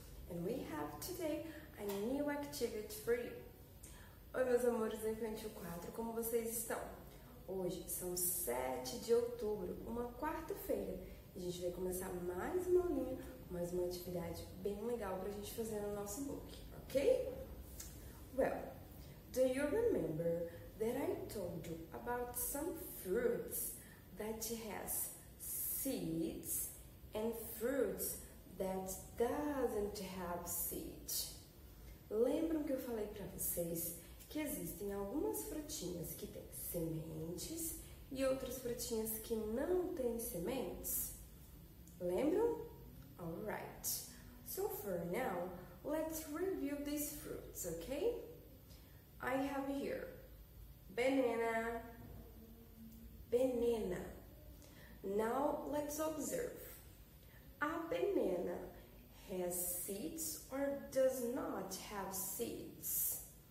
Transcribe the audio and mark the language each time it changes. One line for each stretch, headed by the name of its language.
English: And we have today a new activity for you.
Portuguese: Oi, meus amores do Infantil 4, como vocês estão? Hoje são 7 de outubro, uma quarta-feira. A gente vai começar mais uma aulinha, mais uma atividade bem legal para a gente fazer no nosso book, ok?
English: Well, do you remember that I told you about some fruits that has seeds and fruits that doesn't have seeds?
Portuguese: Lembram que eu falei para vocês que existem algumas frutinhas que têm sementes e outras frutinhas que não têm sementes? Lembram?
English: Alright. So for now, let's review these fruits, okay? I have here banana. Banana. Now let's observe. A banana has seeds or does not have seeds?